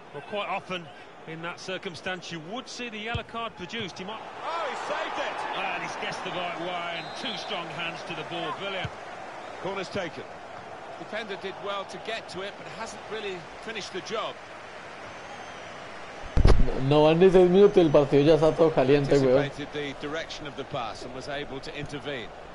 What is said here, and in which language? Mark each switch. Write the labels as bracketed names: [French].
[English] Well, quite often in that circumstance, you would see the yellow card produced. He might. Oh, he saved it! And he's guessed the right way, and two strong hands to the ball. Brilliant. Corner's taken. Defender did well to get to it, but hasn't really finished the job. [Spanish] No van ni 10 minutos, el partido ya está todo caliente, weón. [English] Anticipated the direction of the pass and was able to intervene.